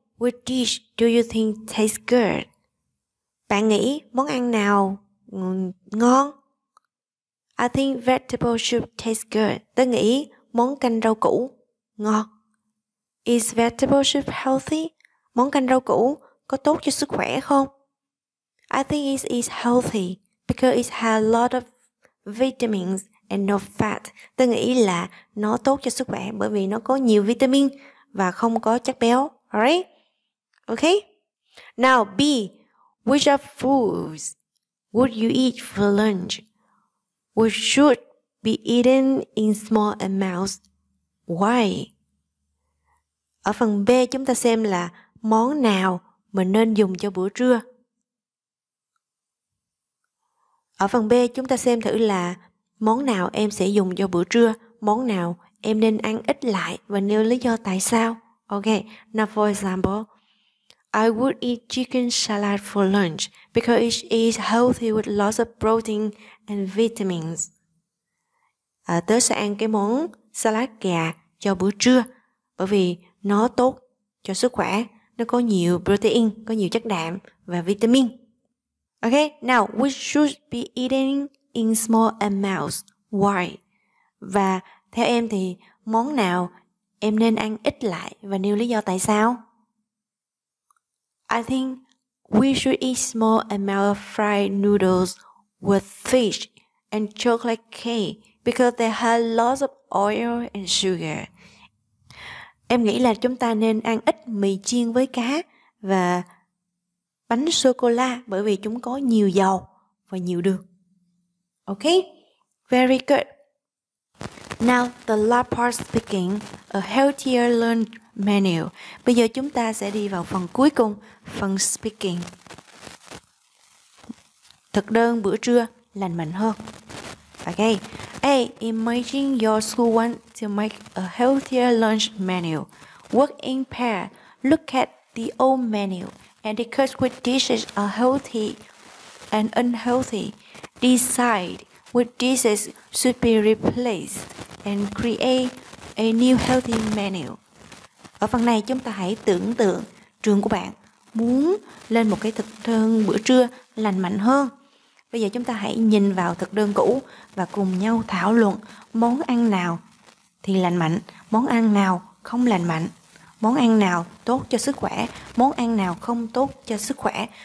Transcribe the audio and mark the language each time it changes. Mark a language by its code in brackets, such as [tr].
[en] Which dish do you think tastes good? [vi] Bạn nghĩ món ăn nào ngon? [en] I think vegetable soup tastes good. [vi] Tôi nghĩ món canh rau củ ngon. [en] Is vegetable soup healthy? [vi] Món canh rau củ có tốt cho sức khỏe không? [en] I think it is healthy because it has a lot of vitamins and no fat. [vi] Tôi nghĩ là nó tốt cho sức khỏe bởi vì nó có nhiều vitamin và không có chất béo. [en] Alright? Okay? Now B, which of foods would you eat for lunch? Which should be eaten in small amounts? Why? [vi] Ở phần B chúng ta xem là món nào mình nên dùng cho bữa trưa. Ở phần B chúng ta xem thử là món nào em sẽ dùng cho bữa trưa, món nào em nên ăn ít lại và nêu lý do tại sao. [en] Ok, now for example, I would eat chicken salad for lunch because it is healthy with lots of protein and vitamins. [vi] Tớ sẽ ăn cái món salad gà cho bữa trưa bởi vì nó tốt cho sức khỏe. Nó có nhiều protein, có nhiều chất đạm và vitamin. [en] Ok, now we should be eating in small amounts. Why? [vi] Và theo em thì món nào em nên ăn ít lại và nêu lý do tại sao? [en] I think we should eat small amount of fried noodles with fish and chocolate cake because they have lots of oil and sugar. [vi] Em nghĩ là chúng ta nên ăn ít mì chiên với cá và bánh sô-cô-la bởi vì chúng có nhiều dầu và nhiều đường. [en] Ok, very good. Now the last part speaking, a healthier lunch menu. [vi] Bây giờ chúng ta sẽ đi vào phần cuối cùng, phần speaking. Thực đơn bữa trưa lành mạnh hơn. [en] Ok. A. Imagine your school wants to make a healthier lunch menu. Work in pair. Look at the old menu and discuss which dishes are healthy and unhealthy. Decide which dishes should be replaced and create a new healthy menu. [vi] Ở phần này chúng ta hãy tưởng tượng trường của bạn muốn lên một cái thực đơn bữa trưa lành mạnh hơn. Bây giờ chúng ta hãy nhìn vào thực đơn cũ và cùng nhau thảo luận món ăn nào thì lành mạnh, món ăn nào không lành mạnh, món ăn nào tốt cho sức khỏe, món ăn nào không tốt cho sức khỏe.